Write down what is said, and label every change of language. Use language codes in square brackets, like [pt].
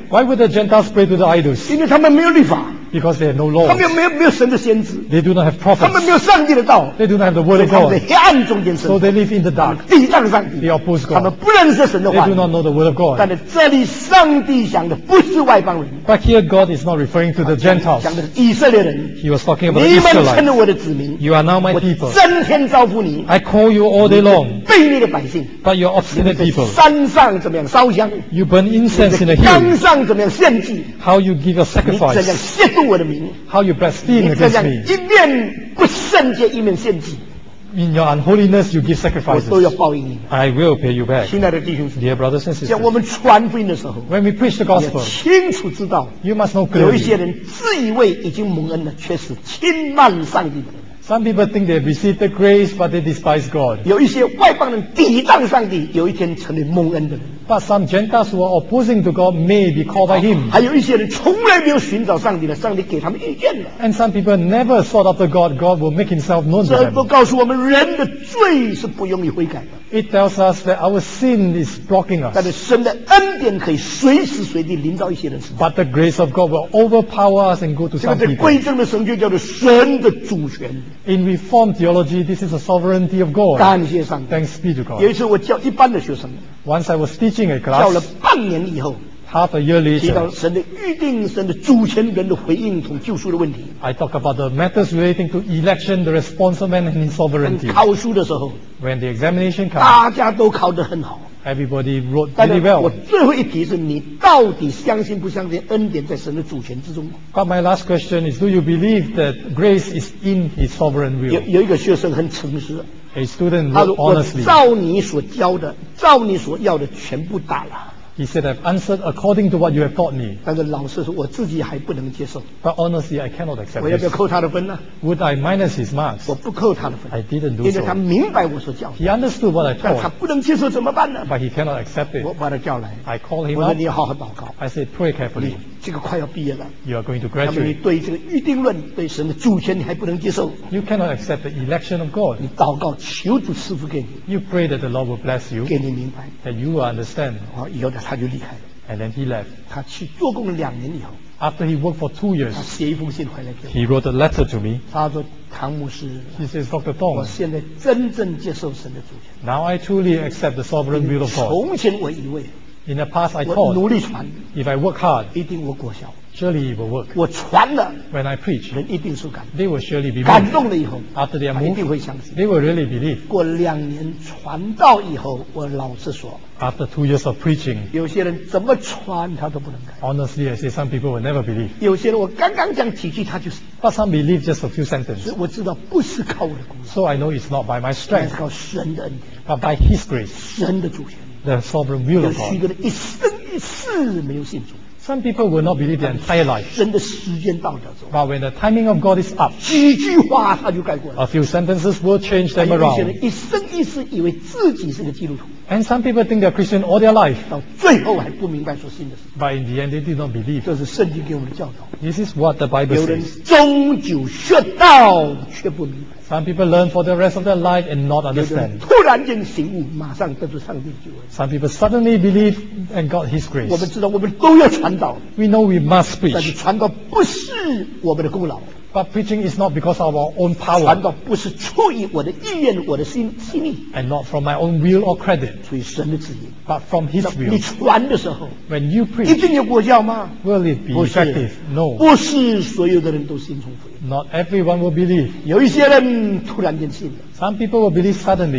[en] Why would the Gentiles pray to the idols? [zh] 因为他们没有律法。 [en] Because they have no laws. [zh] 他们没有神的先知。 [en] They do not have prophets. [zh] 他们没有上帝的道。 [en] They do not have the word of God. [zh] 他们在黑暗中间生活。 [en] So they live in the dark. [zh] 抵挡上帝。 [en] They oppose God. [zh] 他们不认识神的话。 [en] They do not know the word of God. [zh] 但是这里上帝讲的不是外邦人。 [en] But here God is not referring to the Gentiles. [zh] 讲的是以色列人。 [en] He was talking about Israelites. [zh] 你们称为我的子民。 [en] You are now my people. [zh] 我整天招呼你。 [en] I call you all day long. [zh] 你是悖逆的百姓。 [en] But you are obstinate people. [zh] 你们在山上怎么样烧香？ [en] You burn incense in the hill. [zh] 岗上怎么样献祭？ [en] How you give your sacrifice? [zh] 你怎样亵渎我的名？ [en] How you blaspheme against me? [zh] 一面不圣洁，一面献祭。 [en] In your unholiness, you give sacrifices. [zh] 我都要报应你。 [en] I will pay you back. [zh] 亲爱的弟兄姊妹， [en] dear brothers and sisters, [zh] 像我们传福音的时候， [en] when we preach the gospel, [zh] 你要清楚知道， [en] you must know clearly, [zh] 有一些人自以为已经蒙恩了，却是轻慢上帝的。 [en] Some people think they have received the grace, but they despise God. [zh] 有一些外邦人抵挡上帝，有一天成为蒙恩的人。 [en] But some Gentiles who are opposing to God may be called by Him. [zh] 还有一些人从来没有寻找上帝的，上帝给他们遇见了。 [en] And some people never sought after God. God will make Himself known to them. [zh] 这都告诉我们，人的罪是不容易悔改的。 [en] It tells us that our sin is blocking us. [zh] 但是神的恩典可以随时随地临到一些人。 [en] But the grace of God will overpower us and go to some people. [zh] 这个归正的神就叫做神的主权。 [en] In Reformed theology, this is the sovereignty of God. [zh] 感谢上帝。 [en] Thanks be to God. [zh] 有一次我教一般的学生。 [en] Once I was teaching a class. [zh] 教了半年以后。 [en] Half a year later. [zh] 提到神的预定、神的主权、人的回应同救赎的问题。 [en] I talk about the matters relating to election, the response of man and his sovereignty. [zh] 考书的时候。 [en] When the examination comes. [zh] 大家都考得很好。 [en] Everybody wrote really well. [zh] 我最后一题是你到底相信不相信恩典在神的主权之中？ [en] But my last question is, do you believe that grace is in His sovereign will? [zh] 有一个学生很诚实。 [en] A student wrote honestly. [zh] 他说：“我照你所教的，照你所要的，全部打了。” [en] He said, I've answered according to what you have taught me. [zh] 但是老师说，我自己还不能接受。 [en] But honestly, I cannot accept. [zh] 我要不要扣他的分呢？ [en] Would I minus his marks? [zh] 我不扣他的分。 [en] I didn't do so. [zh] 因为他明白我所教的。 [en] He understood what I taught. [zh] 但他不能接受怎么办呢？ [en] But he cannot accept it. [zh] 我把他叫来。 [en] I call him up. [zh] 我说你要好好祷告。 [en] I said, pray carefully. [zh] 你这个快要毕业了。 [en] You are going to graduate. [zh] 那么你对这个预定论，对神的主权，你还不能接受？ [en] You cannot accept the election of God. [zh] 你祷告求主赐福给你。 [en] You pray that the Lord will bless you. [zh] 给你明白。 [en] That you will understand. [zh] 好，以后的。他就离开了。 [en] And then he left. [zh] 他去做工两年以后。 [en] After he worked for 2 years. [zh] 他写一封信回来给我。 [en] He wrote a letter to me. [zh] 他说：“唐牧师。” [en] He says, Dr. Tong. [zh] 我现在真正接受神的主权。 [en] Now I truly accept the sovereign will of God. [zh] 从前我以为。 [en] In the past I thought. [zh] 我努力传。 [en] If I work hard. [zh] 一定有果效。 [en] Surely it will work. [zh] 我传了。 [en] When I preach. [zh] 人一定受感动。 [en] They will surely be moved. [zh] 感动了以后。 [en] After they are moved. [zh] 一定会相信。 [en] They will really believe. [zh] 过两年传道以后，我老实说。 [en] After 2 years of preaching, [zh] 有些人怎么传他都不能改。 [en] Honestly, I say some people will never believe. [zh] 有些人我刚刚讲几句他就是。 [en] But some believe just a few sentences. [zh] 所以我知道不是靠我的功劳。 [en] So I know it's not by my strength. [zh] 是靠神的恩典。 [en] But by His grace. [zh] 神的主权。 [en] The sovereign will of God. [zh] 有许多人一生一世没有信主。 [en] Some people will not believe their entire life. [zh] 神的时间到了。 [en] But when the timing of God is up, [zh] 几句话他就改过了。 [en] A few sentences will change them around. [zh] 有些人一生一世以为自己是个基督徒。 [en] And some people think they're Christian all their life. [zh] 到最后还不明白所信的是。 [en] But in the end, they did not believe. [zh] 这是圣经给我们的教导。 [en] This is what the Bible says. [zh] 有人终究学到却不明白。 [en] Some people learn for the rest of their life and not understand. [zh] 有人突然间醒悟，马上得到上帝的救恩。 [en] Some people suddenly believe and got His grace. [zh] 我们知道我们都要传道。 [en] We know we must preach. [zh] 但是传道不是我们的功劳。 [en] But preaching is not because of our own power. [zh] 传道不是出于我的意愿，我的心意。 [en] And not from my own will or credit. [zh] 出于神的旨意。 [en] But from His will. [zh] 你传的时候 [en] ，When you preach, [zh] 一定有果效吗 [en] ？Will it be effective? No. [zh] 不是所有的人都信从福音。 [en] Not everyone will believe. [zh] 有一些人突然间信了。 [en] Some people will believe suddenly.